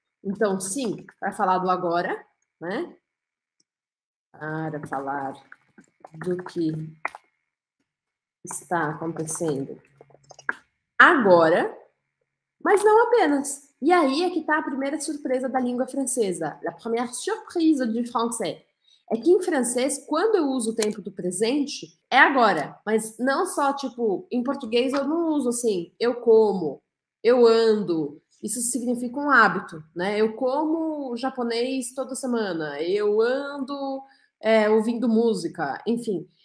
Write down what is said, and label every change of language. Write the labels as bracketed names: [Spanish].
[Portuguese] Então, sim, para falar do agora, né? Para falar do que está acontecendo agora, mas não apenas. E aí é que está a primeira surpresa da língua francesa. [French] La première surprise du français. [Portuguese] É que em francês, quando eu uso o tempo do presente, é agora. Mas não só, tipo, em português eu não uso assim, eu como, eu ando. Isso significa um hábito, né? Eu como japonês toda semana, eu ando ouvindo música, enfim.